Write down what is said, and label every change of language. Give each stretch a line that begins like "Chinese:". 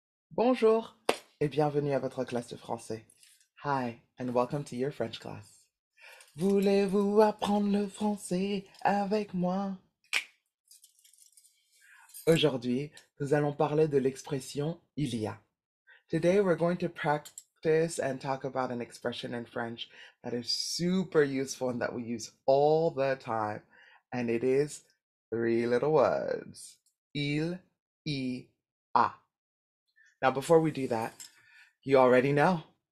French: Bonjour et bienvenue à votre classe de français.
English: Hi and welcome to your French class.
French: Voulez-vous apprendre le français avec moi? Aujourd'hui, nous allons parler de l'expression il y a.
English: Today we're going to practice and talk about an expression in French that is super useful and that we use all the time, and it is three little words. Il y a. Now, before we do that, you already know.